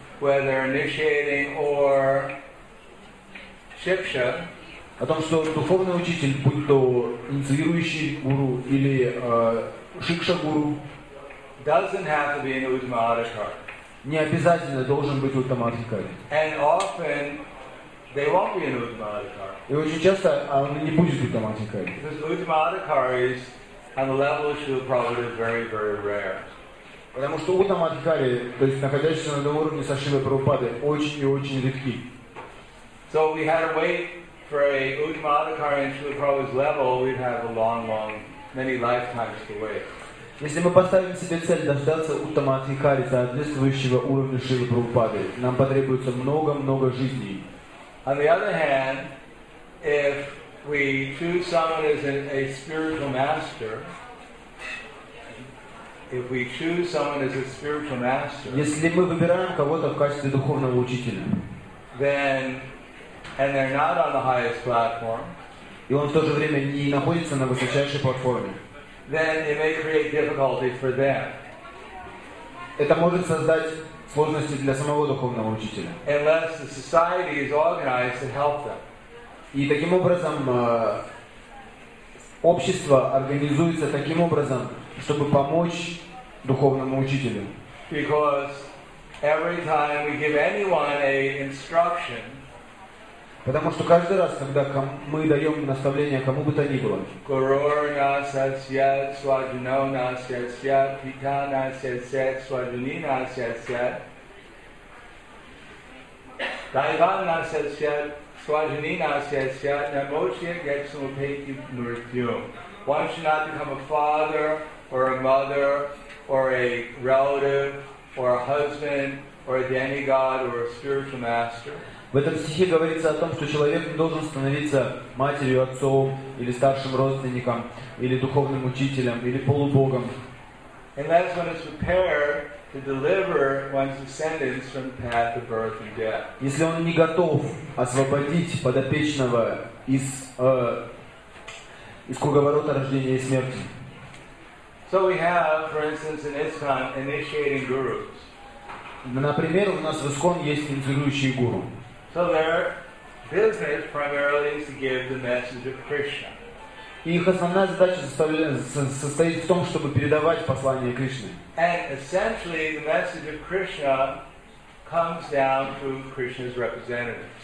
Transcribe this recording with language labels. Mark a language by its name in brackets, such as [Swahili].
[English] whether initiating or shiksha, [Russian] о том, что духовный учитель, будь то инициирующий гуру или шикша гуру, [English] doesn't have to be an Uttama Adhikari. [Russian] Не обязательно должен быть Уттама Адхикари. [English] And often they won't be an Uttama Adhikari. [Russian] И очень часто он не будет Уттама Адхикари. [English] Because Uttama Adhikaris on the level of Srila Prabhupada is very, very rare. [Russian] Потому что Уттама Адхикари, то есть находящиеся на уровне со Шрилой Прабхупады, очень и очень редки. [English] So if we had to wait for a Uttama Adhikari in Srila Prabhupada's level, we'd have a long, long, many lifetimes to wait. [Russian] Если мы поставим себе цель дождаться Уттама Адхикари соответствующего уровня Шрилы Прабхупады, нам потребуется много-много жизней. [English] On the other hand, if we choose someone as a spiritual master, if we choose someone as a spiritual master, [Russian] если мы выбираем кого-то в качестве духовного учителя, [English] then and they're not on the highest platform, [Russian] и он в то же время не находится на высочайшей платформе, [English] then it may create difficulties for them. [Russian] Это может создать сложности для самого духовного учителя. [English] Unless the society is organized to help them. [Russian] И таким образом общество организуется таким образом, чтобы помочь духовному учителю. [English] Because every time we give anyone a instruction, [Russian] потому что каждый раз, когда мы даем наставление кому бы то ни было, [Sanskrit] Gurur na satsyat, swajuno na satsyat, pita na satsyat, swajuni na satsyat, daivan na satsyat, swajuni na satsyat, namochya getsum upeti murityum. [English] One should not become a father or a mother or a relative or a husband or a demigod or a spiritual master. [Russian] В этом стихе говорится о том, что человек не должен становиться матерью, отцом, или старшим родственником, или духовным учителем, или полубогом. [English] And that's when it's prepared to deliver one's descendants from the path of birth and death. [Russian] Если он не готов освободить подопечного из, из круговорота рождения и смерти. [English] So we have, for instance, in ISKCON, initiating gurus. [Russian] Например, у нас в ISKCON есть инициирующие гуру. [English] So their business primarily is to give the message of Krishna. [Russian] Их основная задача состоит в том, чтобы передавать послание Кришны. [English] And essentially, the message of Krishna comes down through Krishna's representatives.